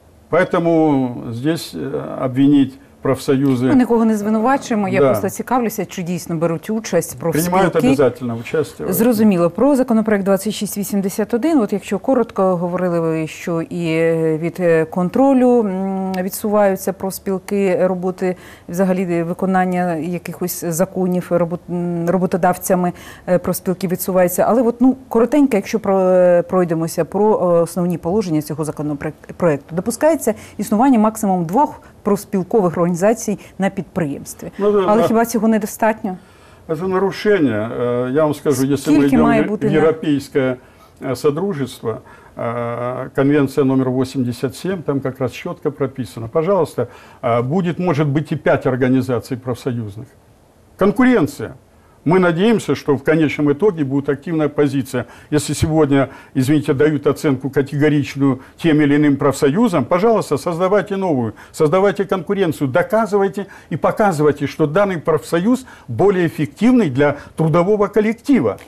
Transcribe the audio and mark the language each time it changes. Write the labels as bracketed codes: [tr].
[ru] Поэтому здесь обвинить профсоюзы... Мы никого не [uk] звинувачуємо, да. Я просто цікавлюся, чи дійсно беруть участь профспілки. [ru] Принимают обязательно участие. [uk] Зрозуміло. Про законопроект 2681, от якщо коротко говорили ви, що і від контролю відсуваються профспілки, роботи, взагалі виконання якихось законів роботодавцями профспілки відсуваються. Але от, ну, коротенько, якщо пройдемося про основні положення цього законопроекту, допускається існування максимум 2 профспілкових організацій на підприємстві. Ну, але хіба цього недостатньо? Це нарушення. Я вам скажу, якщо ми йдемо в Європейське Содружество, конвенція номер 87, там якраз чітко прописано. Пожалуйста, буде, може бути, і 5 організацій профсоюзних. Конкуренція. [ru] Мы надеемся, что в конечном итоге будет активная позиция. Если сегодня, извините, дают оценку категоричную тем или иным профсоюзам, пожалуйста, создавайте новую, создавайте конкуренцию, доказывайте и показывайте, что данный профсоюз более эффективный для трудового коллектива.